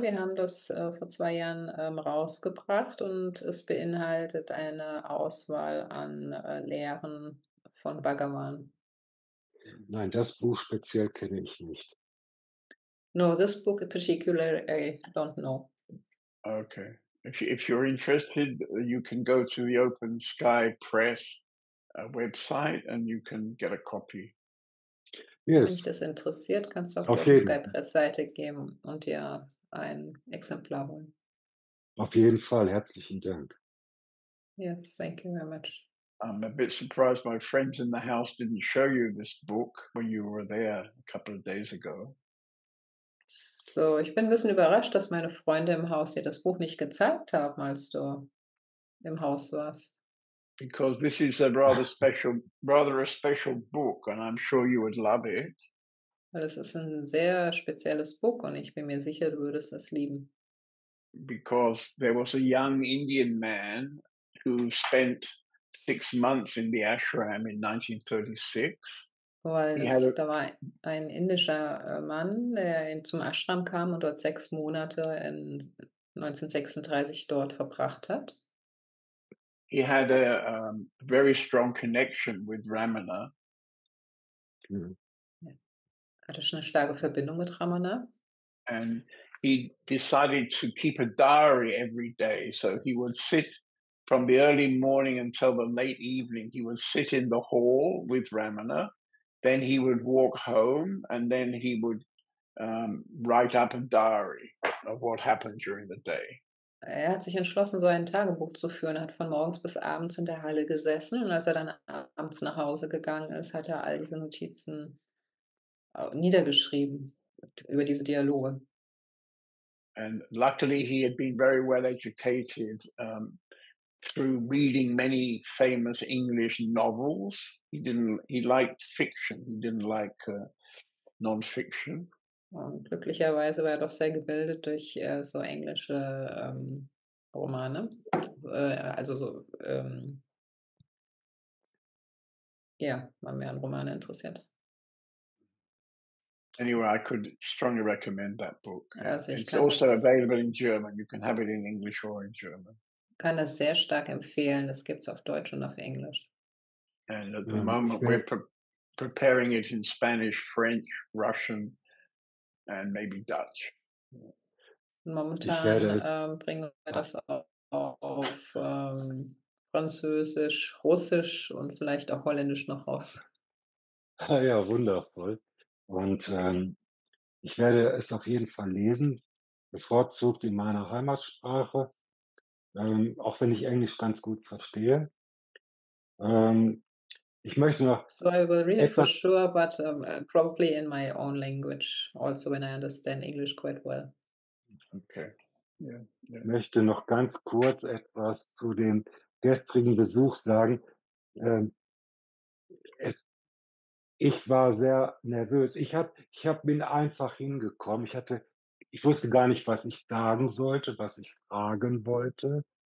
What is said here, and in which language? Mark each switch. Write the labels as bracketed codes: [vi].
[de] Wir haben das vor 2 Jahren rausgebracht und es beinhaltet eine Auswahl an Lehren von Bhagavan. Nein, das Buch speziell kenne ich nicht. [en] No, this book in particular, I don't know. Okay. If you're interested, you can go to the Open Sky Press website and you can get a copy. Yes. [de] Wenn dich das interessiert, kannst du auf die Skype-Press-Seite gehen und dir ein Exemplar holen. Auf jeden Fall, herzlichen Dank. [en] Yes, thank you very much. I'm a bit surprised my friends in the house didn't show you this book when you were there a couple of days ago. [de] So, ich bin ein bisschen überrascht, dass meine Freunde im Haus dir das Buch nicht gezeigt haben, als du im Haus warst. [en] Because this is a rather special book, and I'm sure you would love it. Well, this is a [de] sehr spezielles Buch, und ich bin mir sicher, du würdest es lieben. [en] Because there was a young Indian man who spent 6 months in the ashram in 1936. [de] Weil da war ein indischer Mann, der zum Ashram kam und dort 6 Monate in 1936 dort verbracht hat. [en] He had a very strong connection with Ramana. [de] Hatte schon eine starke Verbindung mit Ramana. [en] And he decided to keep a diary every day. So he would sit from the early morning until the late evening. He would sit in the hall with Ramana. Then he would walk home and then he would write up a diary of what happened during the day. [de] Er hat sich entschlossen, so ein Tagebuch zu führen, hat von morgens bis abends in der Halle gesessen und als er dann abends nach Hause gegangen ist, hat er all diese Notizen niedergeschrieben über diese Dialoge. [en] And luckily he had been very well educated through reading many famous English novels. He liked fiction, he didn't like non-fiction. [de] Und glücklicherweise war er doch sehr gebildet durch so englische Romane, also so, ja, man mehr an Romane interessiert. [en] Anyway, I could strongly recommend that book. It's also available in German. You can have it in English or in German. [de] Kann das sehr stark empfehlen. Es gibt es auf Deutsch und auf Englisch. [en] And at the moment we're preparing it in Spanish, French, Russian. And maybe Dutch. [de] Momentan bringen wir das auf Französisch, Russisch und vielleicht auch Holländisch noch raus. Ja, wundervoll. Und ich werde es auf jeden Fall lesen, bevorzugt in meiner Heimatsprache, auch wenn ich Englisch ganz gut verstehe. Ich möchte noch [en] so I will read it for sure, but probably in my own language, also when I understand English quite well. Okay. Yeah. [de] Ich möchte noch ganz kurz etwas zu dem gestrigen Besuch sagen. Ich war sehr nervös. Ich bin einfach hingekommen. Ich wusste gar nicht, was ich sagen sollte, was ich fragen wollte.